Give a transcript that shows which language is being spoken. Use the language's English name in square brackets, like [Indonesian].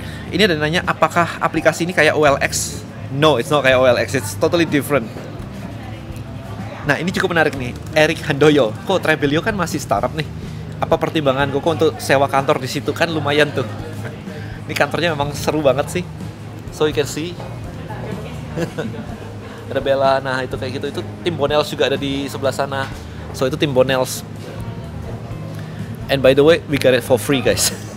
[Indonesian] Ini ada nanya, apakah aplikasi ini kayak OLX? [English] No, it's not kayak OLX, it's totally different. [Indonesian] Nah ini cukup menarik nih, Eric Handoyo. Kok Tribelio kan masih startup nih? Apa pertimbangan kok untuk sewa kantor di situ? Kan lumayan tuh. Ini kantornya memang seru banget sih. [English] So you can see. [Indonesian] Ada Bella, nah itu kayak gitu. Itu tim Bonels juga ada di sebelah sana. So itu tim Bonels. [English] And by the way, we got it for free guys.